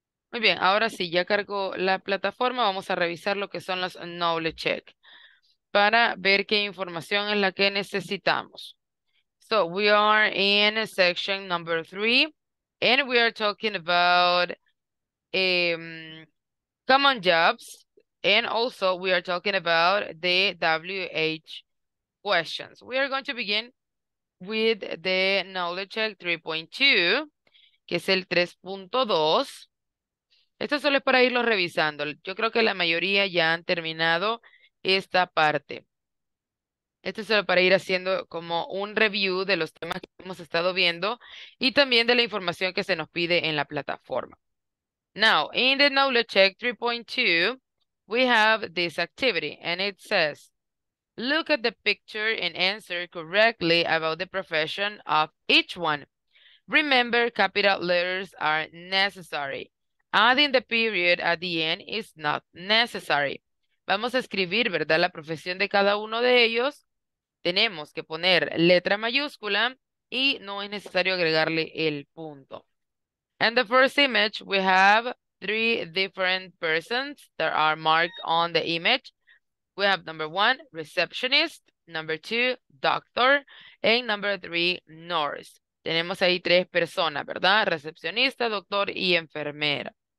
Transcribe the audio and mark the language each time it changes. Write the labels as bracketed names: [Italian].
[Spanish] Muy bien, ahora sí, ya cargo la plataforma, vamos a revisar lo que son los knowledge check para ver qué información es la que necesitamos. [English] So, we are in section number 3 and we are talking about common jobs and also we are talking about the WH questions. We are going to begin with the knowledge check 3.2, [Spanish] que es el 3.2. Esto solo es para irlo revisando. Yo creo que la mayoría ya han terminado esta parte. Esto es solo para ir haciendo como un review de los temas que hemos estado viendo y también de la información que se nos pide en la plataforma. [English] Now, in the knowledge check 3.2, we have this activity and it says, look at the picture and answer correctly about the profession of each one. Remember, capital letters are necessary. Adding the period at the end is not necessary. [Spanish] Vamos a escribir, ¿verdad?, la profesión de cada uno de ellos. Tenemos que poner letra mayúscula y no es necesario agregarle el punto. [English] And the first image, we have 3 different persons that are marked on the image. We have number 1, receptionist, number 2, doctor, and number 3, nurse. [Spanish] Tenemos ahí 3 personas, ¿verdad? Recepcionista, doctor y enfermera.